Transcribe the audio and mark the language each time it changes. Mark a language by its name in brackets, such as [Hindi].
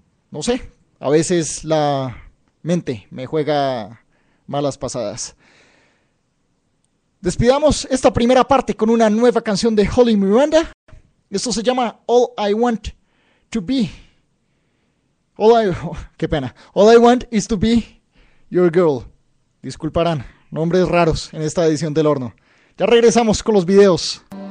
[Spanish] No sé, a veces la mente me juega malas pasadas. Despidamos esta primera parte con una nueva canción de Holly Miranda. Esto se llama All I Want to Be. Oh, qué pena. [English] All I Want is to Be Your Girl. [Spanish] Disculparán, nombres raros en esta edición del horno. Ya regresamos con los videos.